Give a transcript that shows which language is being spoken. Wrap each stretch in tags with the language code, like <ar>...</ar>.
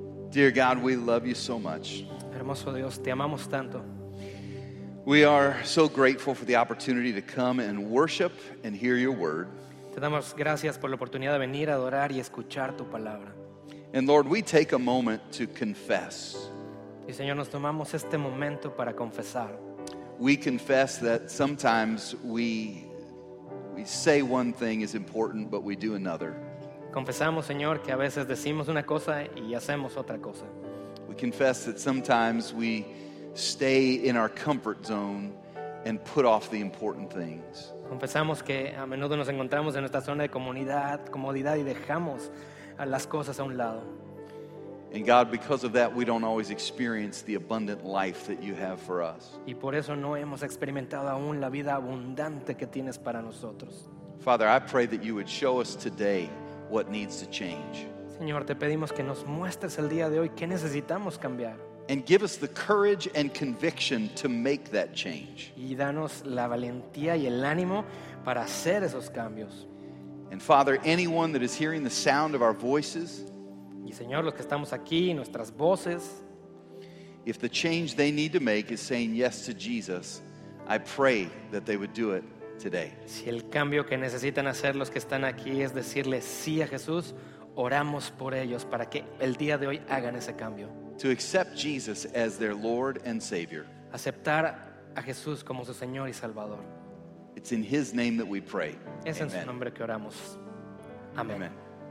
<en>Dear God, we love You so much.</en> <es>Hermoso Dios, te amamos tanto.</es> <en>We are so grateful for the opportunity to come and worship and hear Your word.</en> <es>Te damos gracias por la oportunidad de venir a adorar y escuchar Tu palabra.</es> <en>And Lord, we take a moment to confess.</en> <es>Y Señor, nos tomamos este momento para confesar.</es> <en>We confess that sometimes we say one thing is important, but we do another.</en> <es>Confesamos, Señor, que a veces decimos una cosa y hacemos otra cosa.</es> <en>We confess that sometimes we stay in our comfort zone and put off the important things.</en> <es>Confesamos que a menudo nos encontramos en nuestra zona de comodidad y dejamos las cosas a un lado.</es> <en>And God, because of that, we don't always experience the abundant life that you have for us.</en> <es>Y por eso no hemos experimentado aún la vida abundante que tienes para nosotros.</es> <en>Father, I pray that you would show us today what needs to change.</en> <es>Señor, te pedimos que nos muestres el día de hoy qué necesitamos cambiar.</es> <en>And give us the courage and conviction to make that change.</en> <es>Y danos la valentía y el ánimo para hacer esos cambios.</es> <en>And Father, anyone that is hearing the sound of our voices,</en> <es>y Señor, los que estamos aquí, nuestras voces,</es> <en>if the change they need to make is saying yes to Jesus, I pray that they would do it today.</en> <es>Si el cambio que necesitan hacer los que están aquí es decirle sí a Jesús, oramos por ellos para que el día de hoy hagan ese cambio.</es> <en>To accept Jesus as their Lord and Savior.</en> <es>Aceptar a Jesús como su Señor y Salvador.</es> <en>It's in His name that we pray.</en> <es>Es en su nombre que oramos. Amén. Amen.</es>